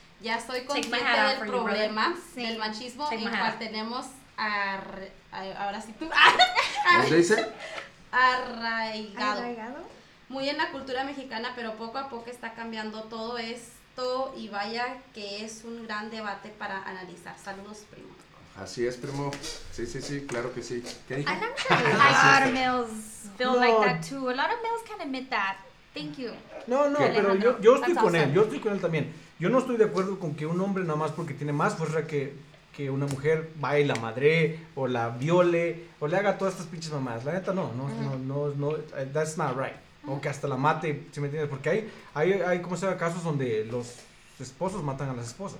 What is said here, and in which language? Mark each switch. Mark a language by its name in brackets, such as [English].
[Spanish] Ya soy consciente del problema, del machismo, y cual tenemos arraigado. muy en la cultura mexicana, pero poco a poco está cambiando todo esto y vaya que es un gran debate para analizar. Saludos, primo. Así es, primo. Sí, claro que sí. ¿Qué dijo? [English] A lot of males feel like that too. A lot of males can admit that. Thank you. [Spanish] No, pero yo estoy con él. Yo estoy con él también. Yo no estoy de acuerdo con que un hombre nada más porque tiene más fuerza que una mujer vaya y la madre o la viole o le haga todas estas pinches mamadas. La neta, no, [English] that's not right. [Spanish] Uh-huh. O que hasta la mate, si me entiendes, porque hay como se llama, casos donde los esposos matan a las esposas.